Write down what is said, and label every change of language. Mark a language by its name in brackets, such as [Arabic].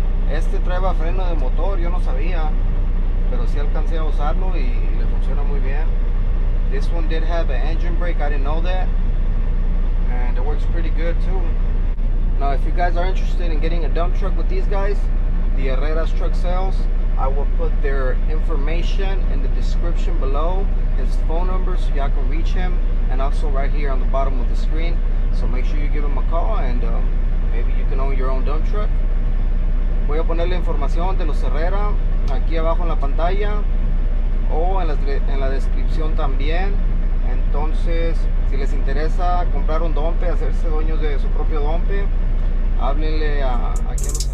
[Spanish] Este trae va freno de motor, yo no sabía, pero sí alcancé a usarlo y le funciona muy bien. [English] This one did have an engine brake, I didn't know that. And it works pretty good too. Now, if you guys are interested in getting a dump truck with these guys, the Herrera's Truck Sales, I will put their information in the description below, his phone number so y'all can reach him, and also right here on the bottom of the screen. So make sure you give him a call, and maybe you can own your own dump truck. [Spanish] Voy a poner la información de los Herrera aquí abajo en la pantalla o en la descripción también. Entonces, si les interesa comprar un dompe, hacerse dueños de su propio dompe, háblenle aquí.